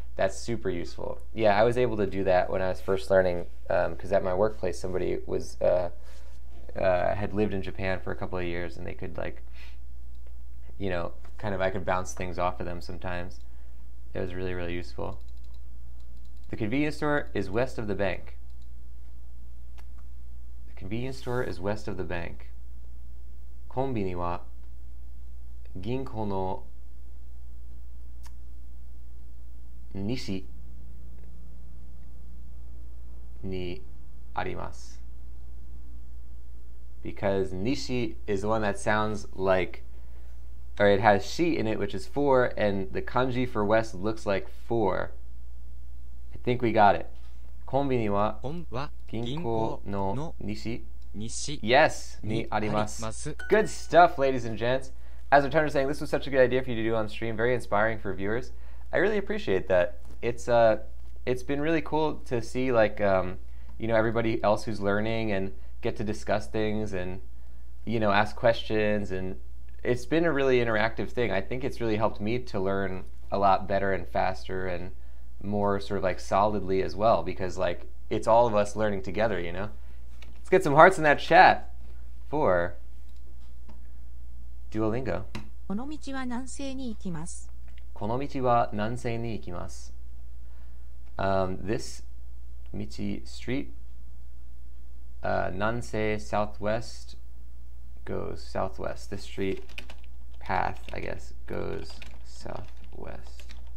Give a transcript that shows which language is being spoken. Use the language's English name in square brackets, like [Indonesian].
[English] That's super useful. Yeah, I was able to do that when I was first learning, because at my workplace, somebody was had lived in Japan for a couple of years, and they could like, kind of I could bounce things off of them sometimes. It was really, really useful. The convenience store is west of the bank. The convenience store is west of the bank. [Japanese] コンビニは銀行の西にあります。 [English] Because Nishi is the one that sounds like, or it has shi in it, which is four, and the kanji for west looks like four. I think we got it. [Japanese] コンビニはコンは銀銀行行のの西。西 [English] Yes, [Japanese] ににあありります。ます。 [English] Good stuff, ladies and gents. As Returner saying, this was such a good idea for you to do on stream. Very inspiring for viewers. I really appreciate that. It's been really cool to see like everybody else who's learning and get to discuss things and ask questions, and it's been a really interactive thing. I think it's really helped me to learn a lot better and faster and more sort of like solidly as well, because like it's all of us learning together, you know? Let's get some hearts in that chat for Duolingo. [Japanese] この道は南西に行きます。この道は南西に行きます。 [English] This 道 street 南西 southwest goes southwest. This street path, I guess, goes southwest.